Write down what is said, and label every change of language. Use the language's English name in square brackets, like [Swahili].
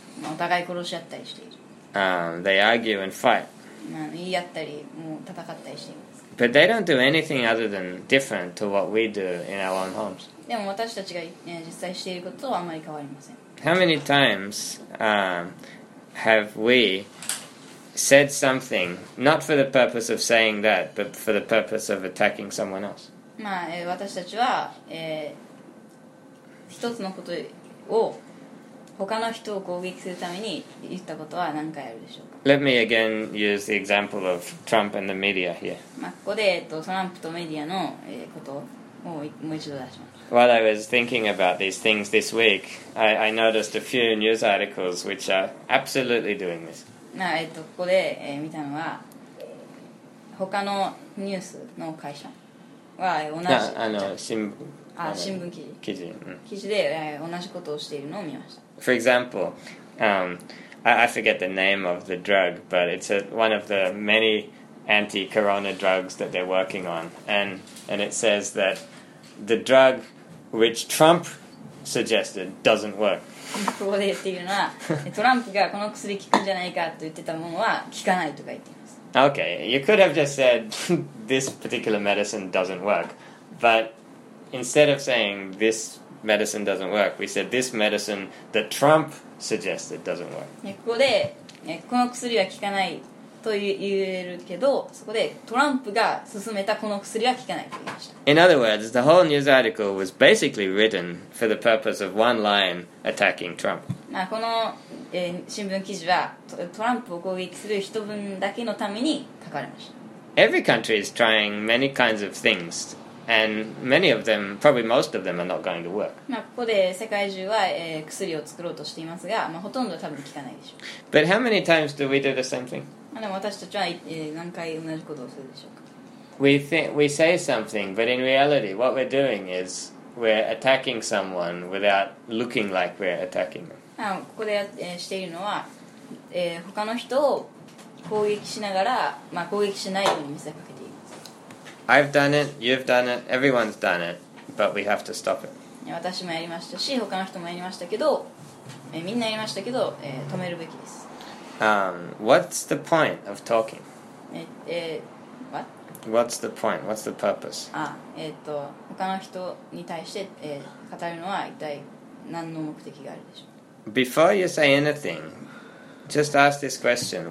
[Japanese] お互い殺し合ったりしている。 [English] They argue and fight. [Japanese] 言い合ったり、もう戦ったりしています。 [English] But they don't do anything other than different to what we do in our own homes. [Japanese] でも私たちが、実際していることとはあまり変わりません。 [English] How many times, have we said something, not for the purpose of saying that, but for the purpose of attacking someone else? [Japanese] まあ、私たちは、一つのことを他の人を攻撃するために言ったことは何回あるでしょうか。 [English] Let me again use the example of Trump and the media here. [Japanese] まあ、ここで、トランプとメディアの、ことをもう一度出します。 [English] While I was thinking about these things this week, I noticed a few news articles which are absolutely doing this. [Japanese] まあ、ここで、見たのは他のニュースの会社は同じ新聞記事、記事で、同じことをしているのを見ました。 [English] For example, I forget the name of the drug, but it's one of the many anti-corona drugs that they're working on. And it says that the drug which Trump suggested doesn't work. [Japanese] ここで言っているのは、トランプがこの薬効くんじゃないかと言ってたものは効かないとか言って。 [English] Okay, you could have just said this particular medicine doesn't work, but instead of saying this medicine doesn't work, we said this medicine that Trump suggested doesn't work. [Japanese] ここでこの薬は効かないと言えるけど、そこでトランプが勧めたこの薬は効かないと言いました。 [English] In other words, the whole news article was basically written for the purpose of one line attacking Trump. [Japanese] まあこの新聞記事は トランプを攻撃する人分だけのために書かれました。 [English] Every country is trying many kinds of things And many of them, probably most of them, are not going to work. [Japanese] ここで世界中は、薬を作ろうとしていますが、ほとんど多分効かないでしょう。 [English] But how many times do we do the same thing? [Japanese] でも私たちは、何回同じことをするでしょうか? [English] We say something, but in reality, what we're doing is we're attacking someone without looking like we're attacking them. [Japanese] ここで、しているのは、他の人を攻撃しながら、攻撃しないように見せかけています。 [English] I've done it, you've done it, everyone's done it, but we have to stop it. [Japanese] 私もやりましたし、他の人もやりましたけど、みんなやりましたけど、止めるべきです。 [English] What's the point of talking? What? What's the point? What's the purpose? [Japanese] 他の人に対して、語るのは一体何の目的があるでしょう? [English] Before you say anything, just ask this question.